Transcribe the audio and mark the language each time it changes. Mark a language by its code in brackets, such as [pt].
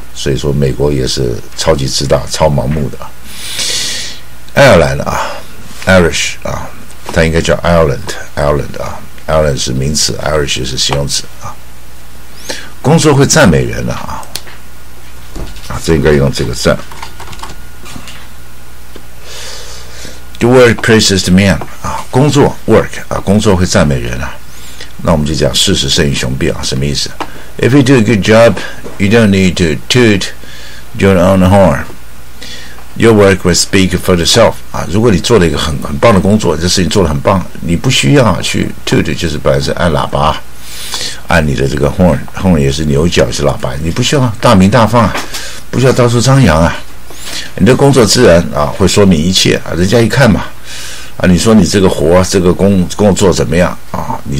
[zh] 所以说美国也是超级自大超盲目的。爱尔兰啊 Irish 啊，它应该叫 Ireland， Ireland 啊， Ireland 是名词， Irish 是形容词啊。工作会赞美人的 啊这应该用这个赞。 [en] The word praises the man [zh] 啊，工作 work 啊，工作会赞美人啊。那我们就讲事实胜于雄辩啊，什么意思？ [en] If you do a good job, you don't need to toot your own horn. Your work will speak for itself. [zh] 啊，如果你做了一个很棒的工作，这事情做得很棒，你不需要去 toot， 就是本来是按喇叭，按你的这个 horn 也是牛角是喇叭，你不需要大名大放，不需要到处张扬啊。你的工作自然啊会说明一切啊，人家一看嘛，啊，你说你这个活这个工作怎么样啊？